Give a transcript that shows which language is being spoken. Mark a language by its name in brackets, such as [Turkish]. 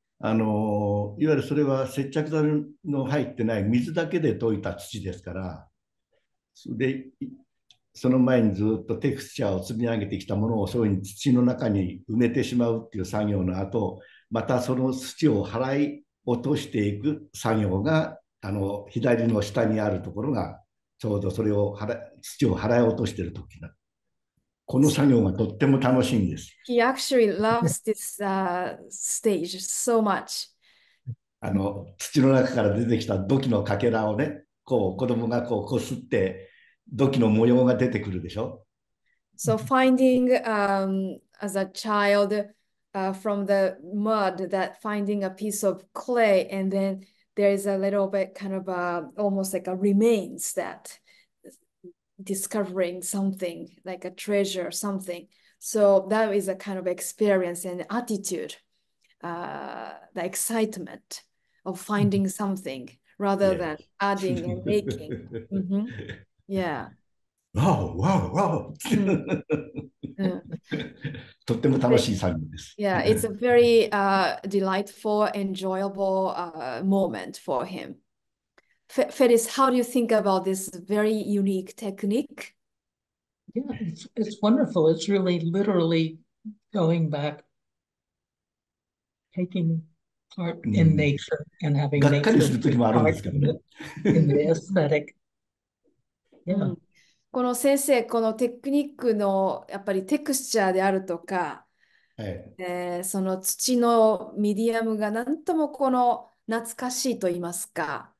[Japanese] いわゆるそれは接着剤の入ってない水だけで溶いた土ですから、でその前にずっとテクスチャーを積み上げてきたものをそういうに土の中に埋めてしまうっていう作業の後、またその土を払い落としていく作業が、あの左の下にあるところがちょうどそれを土を払い落としている時な、この作業がとっても楽しいんです。 [English] He actually loves this stage so much. [Japanese] あの土の中から出てきた土器のかけらをね、こう子供がこう擦って土器の模様が出てくるでしょ。 [English] So finding as a child from the mud, that finding a piece of clay and then there is a little bit kind of almost like a remains that discovering something like a treasure or something. So that is a kind of experience and attitude, the excitement of finding something rather yeah. than adding and making. Mm-hmm. Yeah. Wow, wow, wow. [Japanese] とっても楽しい作業です。 [English] Yeah, it's a very delightful, enjoyable moment for him. Felice, how do you think about this very unique technique? Yeah, it's wonderful. It's really literally going back, taking part in nature and having [Japanese] がっかりする時もあるんですけどね。 [English] in the aesthetic. Yeah. [Japanese] この先生、このテクニックのやっぱりテクスチャーであるとか、はい、その土のミディアムが何ともこの懐かしいと言いますか、